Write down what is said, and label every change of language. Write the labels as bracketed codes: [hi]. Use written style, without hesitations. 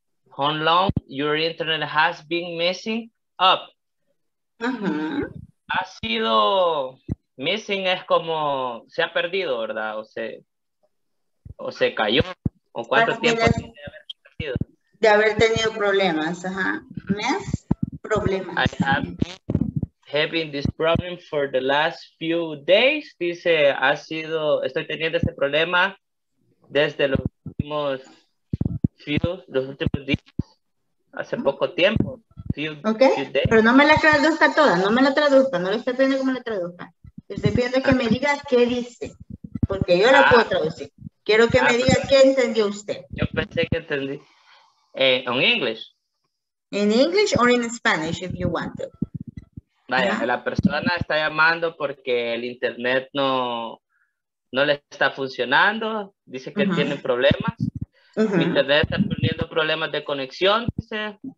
[en] How long your internet has been messing up? Uh-huh. [es] Ha sido, missing es como, se ha perdido, ¿verdad? O se cayó. ¿O cuánto para tiempo tiene de haber perdido? De haber tenido problemas, ajá. Mess, problemas. [en] I have having this problem for the last few days, [es] dice, ha sido, estoy teniendo este problema desde los últimos días, hace poco tiempo. [en] Few days. [es] Pero no me la traduzca toda, no me la traduzca, no lo estoy pidiendo como la traduzca. Estoy pidiendo que me diga qué dice, porque yo la puedo traducir. Quiero que me diga qué entendió usted. Yo pensé que entendí en inglés. [en] In English or in Spanish, if you want to. [es] Vaya, uh-huh. La persona está llamando porque el internet no le está funcionando. Dice que uh-huh. tiene problemas. Uh-huh. El internet está teniendo problemas de conexión, dice.